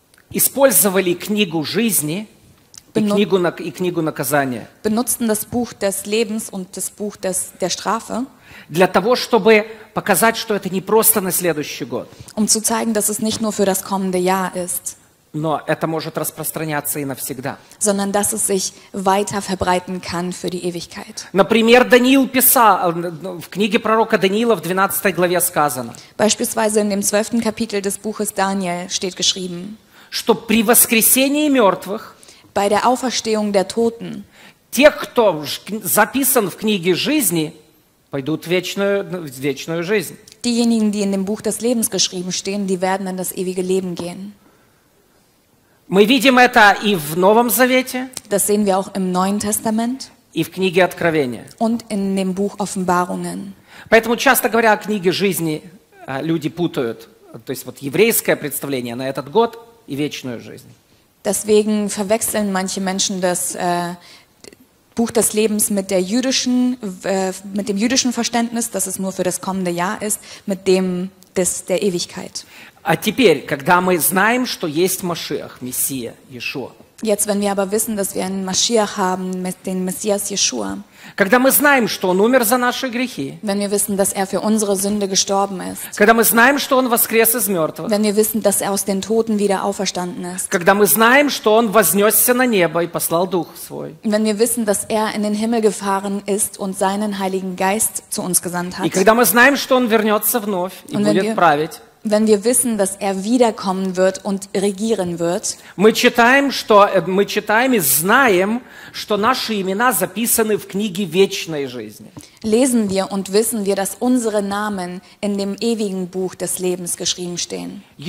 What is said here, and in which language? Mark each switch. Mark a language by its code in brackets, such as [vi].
[ru] использовали книгу жизни и книгу наказания. [de] Benutzten das Buch des Lebens und das Buch der Strafe. [ru] Для того, чтобы показать, что это не просто на следующий год. [de] Um zu zeigen, dass es nicht nur für das kommende Jahr ist. [ru] Но это может распространяться и навсегда. [de] Sondern dass es sich weiter verbreiten kann für die Ewigkeit. [ru] Например, Даниил писал, в книге пророка Даниила в 12 главе сказано. [de] Beispielsweise in dem 12. Kapitel des Buches Daniel steht geschrieben, [ru] что при воскресении мертвых, [de] bei der Auferstehung der Toten, [ru] тех, кто записан в книге жизни, пойдут в вечную жизнь. [de] Diejenigen, die in dem Buch des Lebens geschrieben stehen, die werden in das ewige Leben gehen. [ru] Мы видим это и в Новом Завете. [de] Das sehen wir auch im Neuen Testament. [ru] И в книге Откровения. [de] Und in dem Buch Offenbarungen. [ru] Поэтому часто говоря о книге жизни, люди путают, то есть вот еврейское представление на этот год и вечную жизнь. [de] Deswegen verwechseln manche Menschen das Buch des Lebens mit dem jüdischen Verständnis, dass es nur für das kommende Jahr ist, mit dem der Ewigkeit. [ru] А теперь, когда мы знаем, что есть Машиах, Мессия, Иешуа. [de] Jetzt, wenn wir aber wissen, dass wir einen Машиах haben, den Messias Иешуа. [ru] Когда мы знаем, что он умер за наши грехи. [de] Wenn wir wissen, dass er für unsere Sünde gestorben ist. [ru] Когда мы знаем, что он воскрес из мертвых. [de] Wenn wir wissen, dass er aus den Toten wieder auferstanden ist. [ru] Когда мы знаем, что он вознесся на небо и послал Дух свой. [de] Wenn wir wissen, dass er in den Himmel gefahren ist und seinen Heiligen Geist zu uns gesandt hat. [ru] И когда мы знаем, что он вернется вновь и будет править. [de] Wenn wir wissen, dass er wiederkommen wird und regieren wird, lesen wir und wissen wir, dass unsere Namen in dem ewigen Buch des Lebens geschrieben stehen.